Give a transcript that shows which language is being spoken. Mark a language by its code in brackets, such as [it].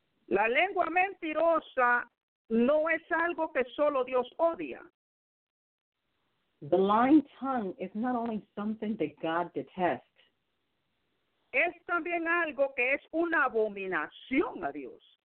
[es] La lengua mentirosa no es algo que solo Dios odia. [en] The lying tongue is not only something that God detests. [es] Es también algo que es una abominación a Dios.